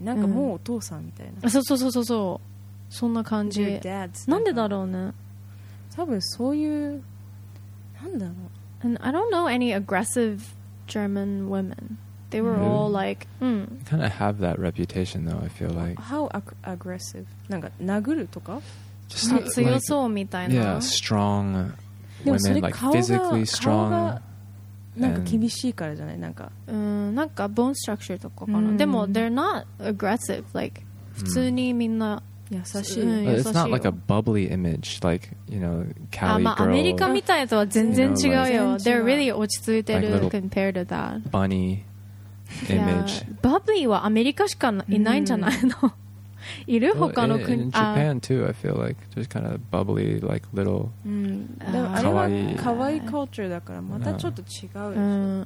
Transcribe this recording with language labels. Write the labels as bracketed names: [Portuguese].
[Japanese] なんかもうお父さんみたいな。そうそうそうそうそう。そんな感じ。 [English] Dads, [Japanese] なんでだろうね。多分そういう、なんだろう。 [English] And I don't know any aggressive German women. They were all like, kind of have that reputation though, I feel like. How aggressive? [Japanese] なんか殴るとか？強そうみたいな。 [English] Yeah, strong women, like physically strong. [Japanese] なんか厳しいからじゃない？なんか。 [English] なんかbone structure [Japanese] とかかな。でも [English] they're not aggressive. [Japanese] Like 普通にみんな優しい。 [English] It's not like a bubbly image, like you know, Cali girl. [Japanese] まあアメリカみたいとは全然違うよ。 [English] They're really [Japanese] 落ち着いてる [English] compared to that. Bunny image. [Japanese] Bubbly はアメリカしかいないんじゃないの？いる他の国。 [English] Well, in Japan too, I feel like just kind of bubbly, like little. [Japanese] でもあれは可愛い culture だからまたちょっと違うでしょ。